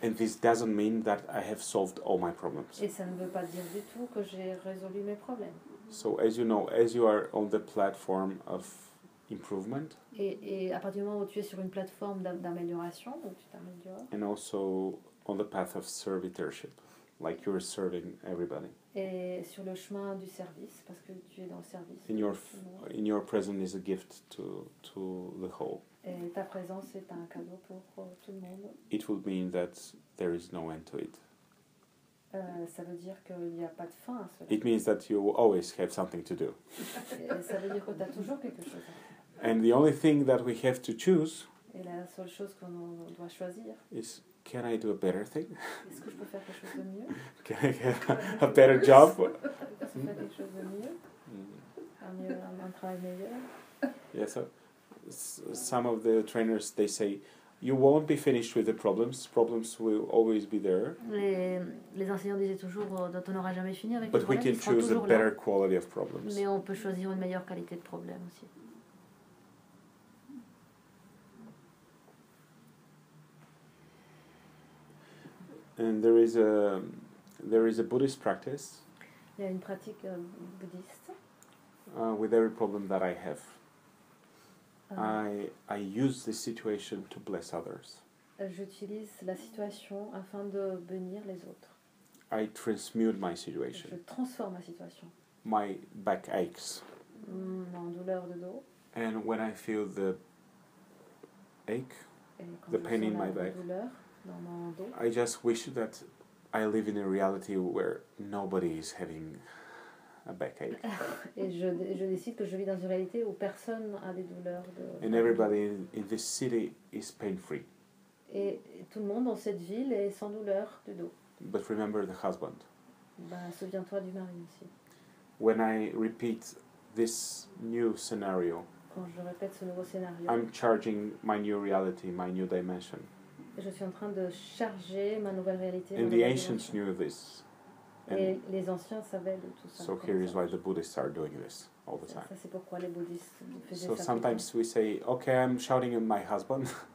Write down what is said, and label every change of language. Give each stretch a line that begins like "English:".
English: And this doesn't mean that I have solved all my problems.
French: Et ça ne veut pas dire du tout que j'ai résolu mes problèmes.
English: So as you know, as you are on the platform of improvement.
French: Et à partir du moment où tu es sur une plateforme d'amélioration, où tu t'améliores.
English: And also on the path of servitorship. Like you're serving everybody.
French: Et sur le chemin du service, parce que tu es dans le service.
English: In your presence is a gift to the whole.
French: Et ta présence est un cadeau pour tout le monde.
English: It would mean that there is no end to it.
French: Ça veut dire qu'il n'y a pas de fin à cela.
English: It means that you always have something to do.
French: Ça veut dire que tu as toujours quelque chose à faire.
English: And the only thing that we have to choose,
French: et la seule chose qu'on doit choisir,
English: is can I do a better thing?
French: Est-ce que je peux faire quelque chose de mieux?
English: Can I get a better job?
French: Est-ce que je peux faire quelque chose de mieux? Un travail meilleur?
English: Yeah, so some of the trainers, they say, you won't be finished with the problems. Problems will always be there.
French: Les enseignants disaient toujours, on n'aura jamais fini avec.
English: But we can choose a better quality of problems.
French: Mais on peut choisir une meilleure qualité de problèmes aussi.
English: And there is a Buddhist practice.
French: Il y a une pratique bouddhiste.
English: With every problem that I have. I use this situation to bless others.
French: J'utilise la situation afin de bénir les autres.
English: I transmute my situation.
French: Je transforme ma situation.
English: My back aches.
French: Mon douleur de dos.
English: And when I feel the ache, the pain in my back,
French: douleur dans mon dos,
English: I just wish that I live in a reality where nobody is having a backache.
French: Et je décide que je vis dans une réalité où personne a des douleurs de.
English: And everybody in this city is pain-free.
French: Et tout le monde dans cette ville est sans douleur du dos.
English: But remember the husband.
French: Bah, souviens-toi du mari aussi.
English: When I repeat this new scenario.
French: Quand je répète ce nouveau scénario.
English: I'm charging my new reality, my new dimension.
French: Je suis en train de charger ma nouvelle réalité.
English: And the ancients knew this.
French: Et les anciens savaient de tout ça.
English: So here is why the Buddhists are doing this all the time.
French: Ça c'est pourquoi les bouddhistes faisaient ça.
English: So sometimes we say, okay, I'm shouting at my husband.